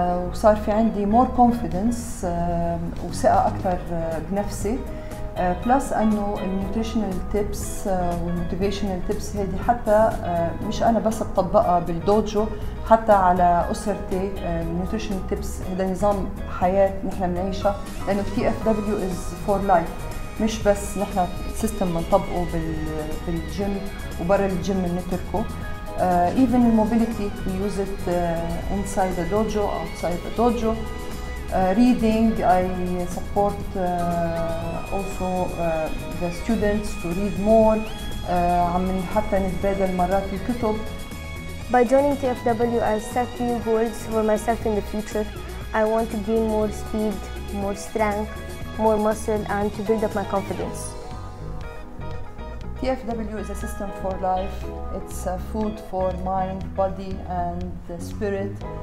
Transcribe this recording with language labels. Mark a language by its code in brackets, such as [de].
[ar] وصار في عندي مور كونفيدنس وثقه اكثر بنفسي، بلس انه النيوتريشنال تيبس والموتيفيشنال تيبس هذه حتى مش انا بس اطبقها بالدوجو، حتى على اسرتي النيوتريشنال تيبس هذا نظام حياه نحن بنعيشها، لانه TFW از فور لايف، مش بس نحن سيستم بنطبقه بالجيم وبرا الجيم بنتركه. [en] Even الموبيليتي use it inside the dojo outside the dojo. Reading, I support also the students to read more. [ar] عم حتى نتبادل مرات الكتب. [en] By joining TFW, I set new goals for myself in the future. I want to gain more speed, more strength, more muscle, and to build up my confidence. TFW is a system for life. It's a food for mind, body, and spirit.